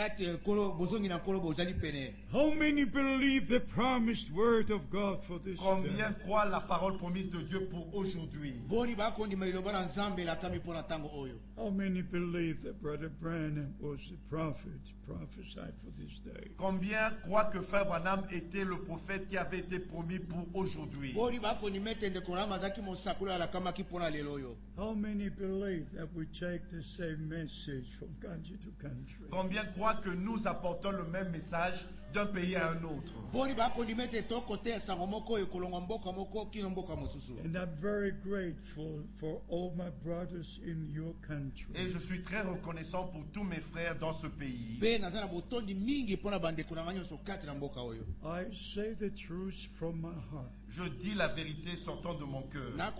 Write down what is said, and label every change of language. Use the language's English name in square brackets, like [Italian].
[English] How many believe the promised word of God for this day? [French] Combien croient la parole promise de Dieu pour aujourd'hui? [English] How many believe that Brother Branham was the prophet prophesied for this day? [French] Combien croient que Frère Branham était le prophète qui avait été promis pour aujourd'hui? [English] How many believe that we take the same message from country to country? [French] Combien croient que nous apportons le même message d'un pays à un autre? [English] And I'm very grateful for all my brothers in your country. [French] Et je suis très reconnaissant pour tous mes frères dans ce pays. [English] I say the truth from my heart. [French] Je dis la vérité sortant de mon cœur.